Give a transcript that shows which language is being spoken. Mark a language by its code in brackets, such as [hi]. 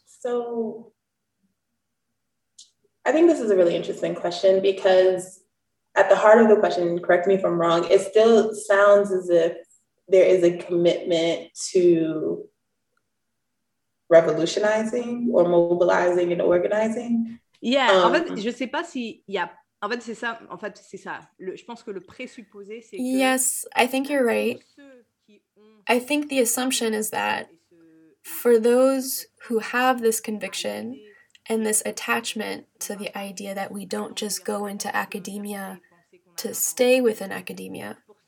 [en] So I think this is a really interesting question, because at the heart of the question, correct me if I'm wrong, it still sounds as if there is a commitment to revolutionizing or mobilizing and organizing. [fr] Yeah, en fait, je sais pas si il y a. En fait, c'est ça. En fait, c'est ça. Le, je pense que le présupposé, c'est que... [en] Yes, I think you're right. I think the assumption is that for those who have this conviction and this attachment to the idea that we don't just go into academia to stay within academia